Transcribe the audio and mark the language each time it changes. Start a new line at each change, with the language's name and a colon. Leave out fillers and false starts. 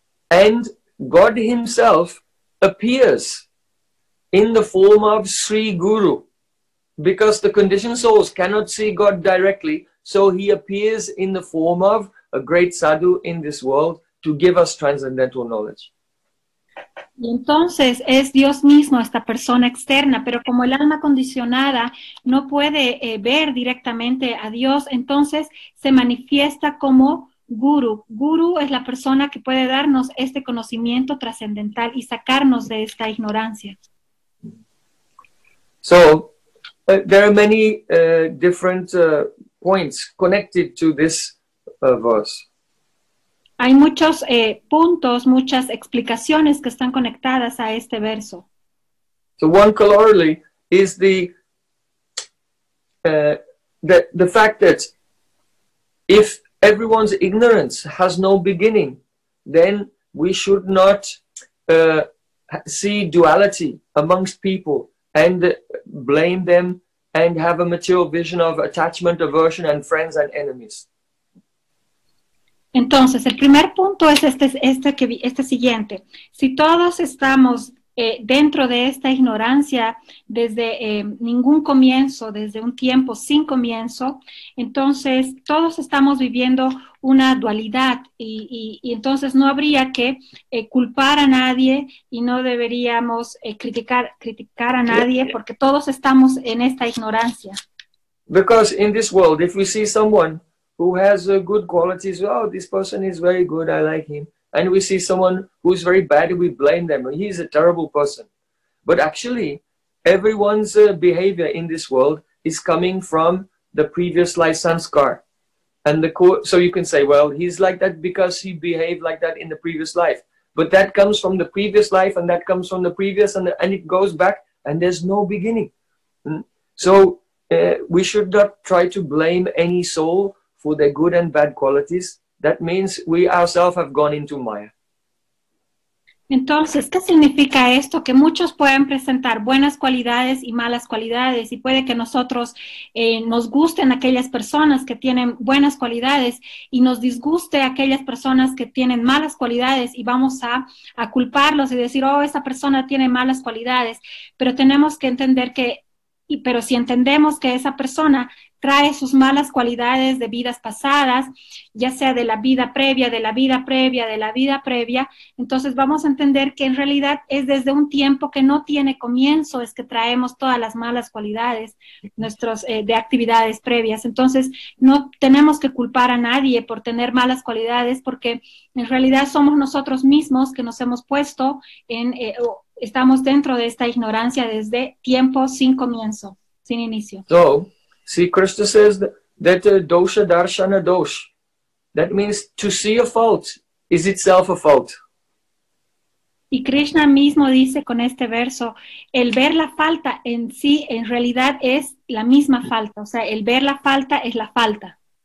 English: And God himself appears in the form of Sri Guru. Because the conditioned souls cannot see God directly, so he appears in the form of a great sadhu in this world to give us transcendental knowledge.
Spanish: Y entonces es Dios mismo esta persona externa, pero como el alma condicionada no puede ver directamente a Dios, entonces se manifiesta como Guru. Guru es la persona que puede darnos este conocimiento trascendental y sacarnos de esta ignorancia.
English: So, there are many different points connected to this verse.
Spanish: Hay muchos puntos, muchas explicaciones que están conectadas a este verso.
English: So one corollary is the fact that if everyone's ignorance has no beginning, then we should not see duality amongst people and blame them and have a mature vision of attachment, aversion, and friends and enemies.
Spanish: Entonces, el primer punto es este siguiente. Si todos estamos dentro de esta ignorancia desde ningún comienzo, desde un tiempo sin comienzo, entonces todos estamos viviendo una dualidad y entonces no habría que culpar a nadie y no deberíamos criticar a nadie porque todos estamos en esta ignorancia.
English: Because in this world, if we see someone who has good qualities, oh, this person is very good, I like him. And we see someone who is very bad, we blame them. He is a terrible person. But actually, everyone's behavior in this world is coming from the previous life sanskar. And the so you can say, well, he's like that because he behaved like that in the previous life. But that comes from the previous life, and that comes from the previous, and it goes back, and there's no beginning. So we should not try to blame any soul for their good and bad qualities. That means we ourselves have gone into Maya.
Spanish: Entonces, ¿qué significa esto? Que muchos pueden presentar buenas cualidades y malas cualidades, y puede que nosotros nos gusten aquellas personas que tienen buenas cualidades y nos disguste aquellas personas que tienen malas cualidades, y vamos a culparlos y decir, oh, esa persona tiene malas cualidades, pero tenemos que entender que, pero si entendemos que esa persona trae sus malas cualidades de vidas pasadas, ya sea de la vida previa, de la vida previa, de la vida previa, entonces vamos a entender que en realidad es desde un tiempo que no tiene comienzo, es que traemos todas las malas cualidades nuestros, de actividades previas. Entonces no tenemos que culpar a nadie por tener malas cualidades, porque en realidad somos nosotros mismos que nos hemos puesto en, estamos dentro de esta ignorancia desde tiempo sin comienzo, sin inicio.
English: So, see, Krishna says that, that
Sanskrit: dosha darshana dosh,
English: that means to see a fault is itself a fault.
Spanish: Y Krishna mismo dice con este verso, el ver la falta en sí, en realidad es la misma falta. O sea, el ver la falta es la falta.